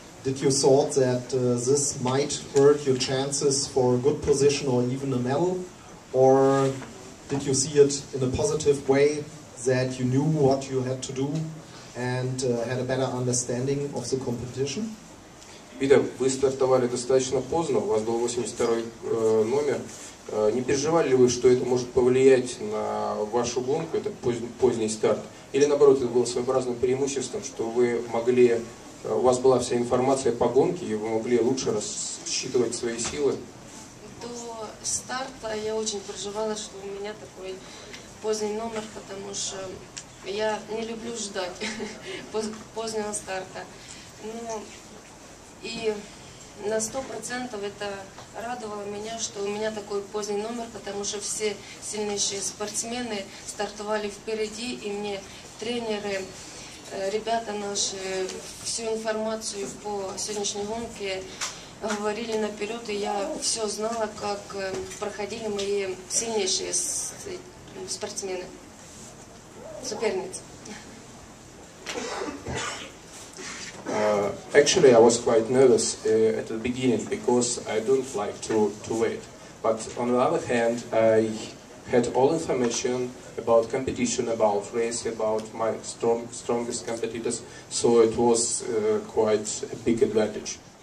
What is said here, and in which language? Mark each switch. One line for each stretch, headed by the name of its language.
English: Did you thought that this might hurt your chances for a good position or even a medal? Or did you see it in a positive way, that you knew what you had to do and had a better understanding of the competition?
Russian: Вита, вы стартовали достаточно поздно, у вас был 82-й номер. Не переживали ли вы, что это может повлиять на вашу гонку, это поздний старт? Или наоборот, это было своеобразным преимуществом, что вы могли... У вас была вся информация по гонке, и вы могли лучше рассчитывать свои силы? До старта я очень переживала, что у меня такой поздний номер, потому что я не люблю ждать позднего старта. Но и на 100% это радовало меня, что у меня такой поздний номер, потому что все сильнейшие спортсмены стартовали впереди, и мне тренеры... Ребята наши всю информацию по сегодняшней гонке говорили наперед, и я все знала, как проходили мои сильнейшие спортсмены, соперницы.
English: Actually, I was quite nervous at the beginning because I don't like to wait. But on the other hand, I had all information about competition, about race, about my strongest competitors, so it was quite a big advantage.